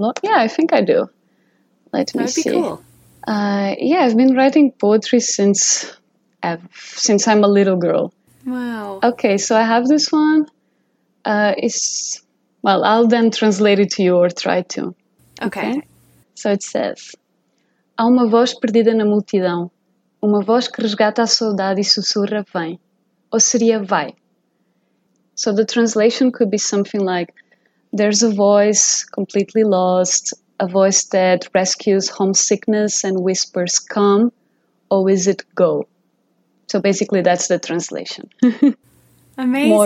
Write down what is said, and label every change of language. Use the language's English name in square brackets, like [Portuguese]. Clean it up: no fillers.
[English] Yeah, I think I do. Let That me would be see. cool. Yeah, I've been writing poetry since I'm a little girl. Wow. Okay, so I have this one. Well, I'll then translate it to you or try to. Okay. Okay? So it says: [Portuguese] Há uma voz perdida na multidão, uma voz que resgata a saudade e sussurra vem. Ou seria vai? [English] So the translation could be something like: There's a voice completely lost, a voice that rescues homesickness and whispers, come, or is it go? So basically, that's the translation. More or